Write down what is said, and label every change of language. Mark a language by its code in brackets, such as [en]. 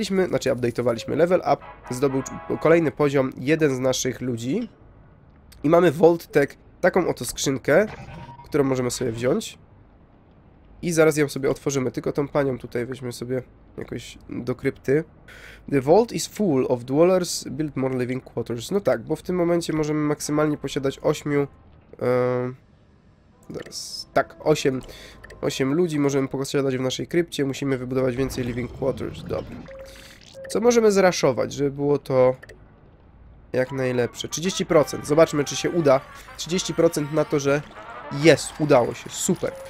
[pl] Update'owaliśmy [en] level up. [pl] Zdobył kolejny poziom jeden z naszych ludzi. I mamy Vault Tech. Taką oto skrzynkę, którą możemy sobie wziąć i zaraz ją sobie otworzymy, tylko tą panią tutaj weźmy sobie jakoś do krypty. [en] The vault is full of dwellers, build more living quarters. [pl] No tak, bo w tym momencie możemy maksymalnie posiadać 8, zaraz, tak, 8 ludzi możemy posiadać w naszej krypcie, musimy wybudować więcej [en] living quarters, [pl] dobra. Co możemy zraszować, żeby było to Jak najlepsze. 30%. Zobaczmy, czy się uda. 30% na to, że jest. Udało się. Super.